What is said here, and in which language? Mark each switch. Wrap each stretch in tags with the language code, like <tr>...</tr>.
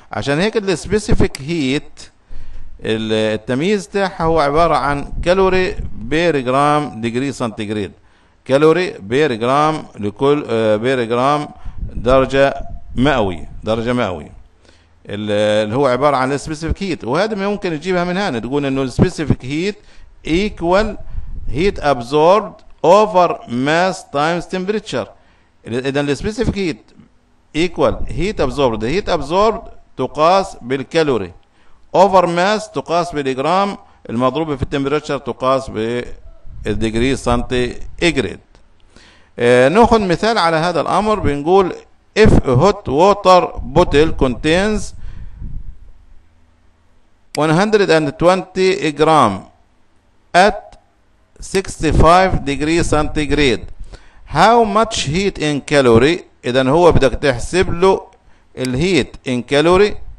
<ar>عشان هيك السبيسيفيك هيت التمييز تاعها هو عباره عن كالوري بير جرام ديجري سنتيجريد، كالوري بير جرام لكل بير جرام درجه مئويه، درجه مئويه اللي هو عبارة عن specific heat. وهذا ما ممكن تجيبها من هنا، تقول انه</ar> <en>specific heat equal heat absorbed over mass times temperature.</en> <ar>اذا</ar> <en>specific heat equal heat absorbed،</en> <ar>heat absorbed تقاس بالكالوري، over mass تقاس بالجرام، المضروبة في temperature تقاس بالدجري سنتيجريد. ناخذ مثال على هذا الامر، بنقول</ar> <en>if hot water bottle contains 120</en> <ar>جرام at 65 ديجري سنتيجريد،</ar> <en>how much heat in calorie؟</en> <ar>اذا هو بدك تحسب له الهيت in calorie،</ar>